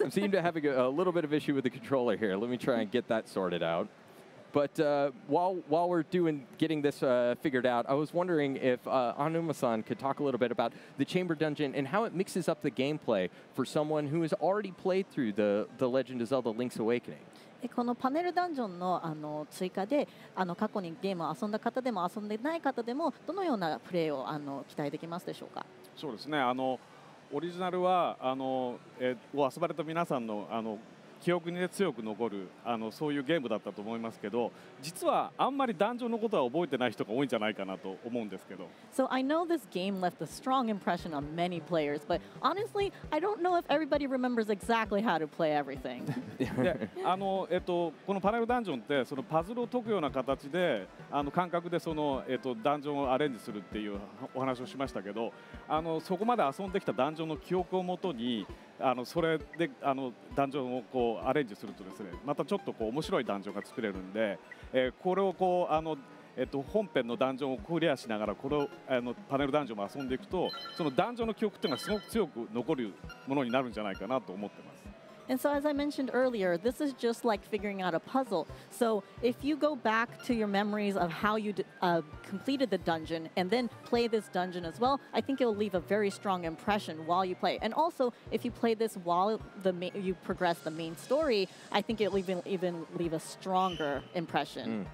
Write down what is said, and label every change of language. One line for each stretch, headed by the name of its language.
English: I seem to have a little bit of issue with the controller here. Let me try and get that sorted out. But while we're getting this figured out, I was wondering if Anuma-san could talk a little bit about the Chamber Dungeon and how it mixes up the gameplay for someone who has already played through the Legend of Zelda Link's Awakening.
Japanese: このパネルダンジョンの追加で過去にゲームを遊んだ方でも遊んでない方でもどのようなプレイを期待できますでしょうか。そうですね、オリジナルは遊ばれた皆さんの記憶に、ね、強く残るあのそういうゲームだったと思いますけど、実はあんまりダンジョンのことは覚えてない人が多いんじゃないかなと思うんですけど。
English: So I know this game left a strong impression on many players, but honestly, I don't know if everybody remembers exactly how to play everything.
Japanese: であの、このパラレルダンジョンってそのパズルを解くような形であの感覚でその、ダンジョンをアレンジするっていうお話をしましたけど、あのそこまで遊んできたダンジョンの記憶をもとにあのそれであのダンジョンをこうアレンジするとですね、またちょっとこう面白いダンジョンが作れるんで、これをこうあの、本編のダンジョンをクリアしながらこれをあのパネルダンジョンも遊んでいくと、そのダンジョンの記憶っていうのがすごく強く残るものになるんじゃないかなと思ってます。
English: And so as I mentioned earlier, this is just like figuring out a puzzle. So if you go back to your memories of how you completed the dungeon and then play this dungeon as well, I think it will leave a very strong impression while you play. And also, if you play this while the you progress the main story, I think it will even leave a stronger impression.